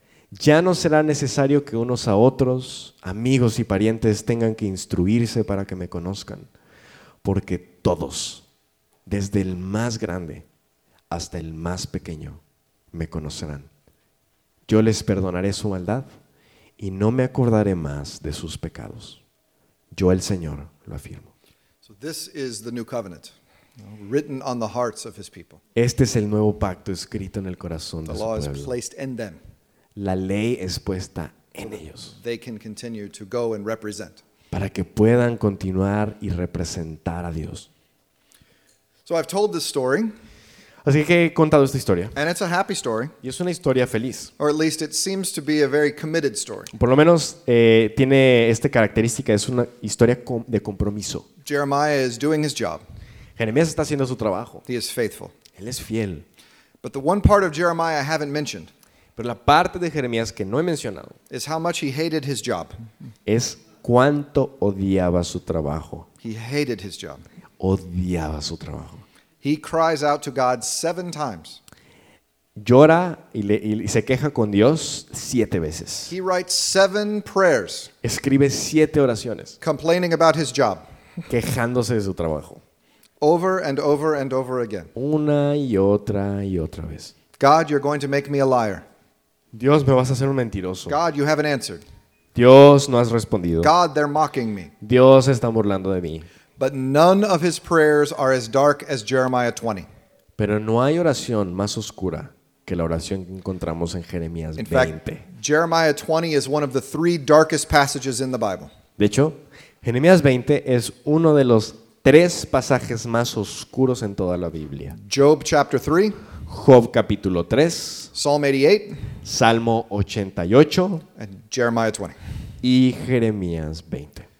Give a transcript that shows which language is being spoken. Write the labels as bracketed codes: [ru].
[es] Ya no será necesario que unos a otros, amigos y parientes, tengan que instruirse para que me conozcan, porque todos, desde el más grande hasta el más pequeño, me conocerán. Yo les perdonaré su maldad y no me acordaré más de sus pecados. Yo, el Señor, lo afirmo. [en] So this is the new covenant. Written on the hearts of his people. [es] Este es el nuevo pacto escrito en el corazón de su pueblo. [en] The law is placed in them. [es] La ley es puesta en ellos. [en] They can continue to go and represent. [es] Para que puedan continuar y representar a Dios. [en] So I've told this story. [es] Así que he contado esta historia. [en] And it's a happy story. [es] Y es una historia feliz. [en] Or at least it seems to be a very committed story. [es] Por lo menos tiene esta característica. Es una historia de compromiso. [en] Jeremiah is doing his job. [es] Jeremías está haciendo su trabajo. [en] He is faithful. [es] Él es fiel. [en] But the one part of Jeremiah I haven't mentioned. [es] Pero la parte de Jeremías que no he mencionado. [en] Is how much he hated his job. [es] Es cuánto odiaba su trabajo. [en] He hated his job. [es] Odiaba su trabajo. [en] He cries out to God 7 times. [es] Llora y se queja con Dios 7 veces. [en] He writes 7 prayers. [es] Escribe 7 oraciones. [en] Complaining about his job. [es] Quejándose de su trabajo. [en] Over and over and over again. [es] Una y otra vez. [en] God, you're going to make me a liar. [es] Dios, me vas a hacer un mentiroso. [en] God, you haven't answered. [es] Dios, no has respondido. [en] God, they're mocking me. [es] Dios, están burlando de mí. [en] But none of his prayers are as dark as Jeremiah 20. [es] Pero no hay oración más oscura que la oración que encontramos en Jeremías 20. [en] In fact, Jeremiah 20 is one of the three darkest passages in the Bible. [es] De hecho, Jeremías 20 es uno de los tres pasajes más oscuros en toda la Biblia. [en] Job chapter 3. [es] Job capítulo 3. [en] Psalm 88. [es] Salmo 88. [en] And Jeremiah 20. [es] Y Jeremías 20.